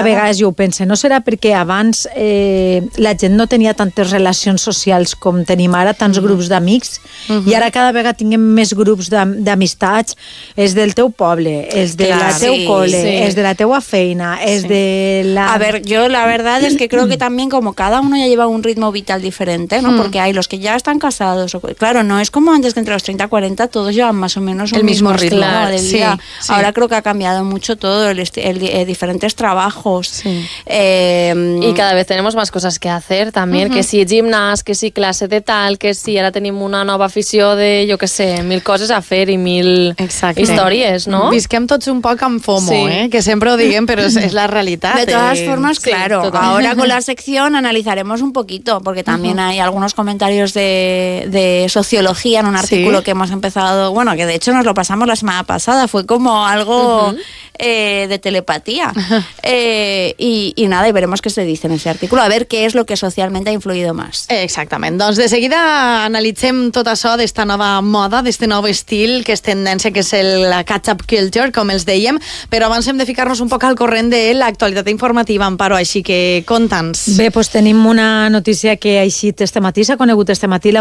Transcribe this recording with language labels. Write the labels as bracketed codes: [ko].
[ca] A vegades jo ho penso, no serà perquè abans la gent no tenia tantes relacions socials com tenim ara, tants grups d'amics, i ara cada vegada tinguem més grups d'amistats, és del teu poble, és de la teu cole, és de la teua feina, és de la... [es] A ver, yo la verdad es que creo que también como cada uno ya lleva un ritmo vital diferente, ¿no? Porque hay los que ya están casados, o, claro, no es como antes que entre los 30 y 40 todos llevan más o menos el mismo ritmo, claro, de vida. Sí, sí. Ahora creo que ha cambiado mucho todo, el diferentes trabajos. Sí. Y cada vez tenemos más cosas que hacer también, que si gimnas, que si clase de tal, que si ahora tenemos una nueva afición de, yo qué sé, [ca] mil coses a fer i mil històries, [es] no? [ca] Visquem tots un poc amb FOMO, que sempre ho diguem, però és la realitat. De totes formes, claro. [es] Sí, ahora con la sección analizaremos un poquito, porque también hay algunos comentarios de sociología en un artículo que hemos empezado, bueno, que de hecho nos lo pasamos la semana pasada, fue como algo de telepatía. Y nada, y veremos qué se dice en ese artículo, a ver qué es lo que socialmente ha influido más. Exactamente. [ca] Doncs de seguida analitzem tot això d'esta nova moda, d'este nou estil, que és tendència, que és la catch-up culture, com els dèiem, però abans hem de ficar-nos un poc al corrent de l'actualitat informativa, Amparo, així que conta'ns. Bé, doncs tenim una notícia que així este matí s'ha conegut este matí.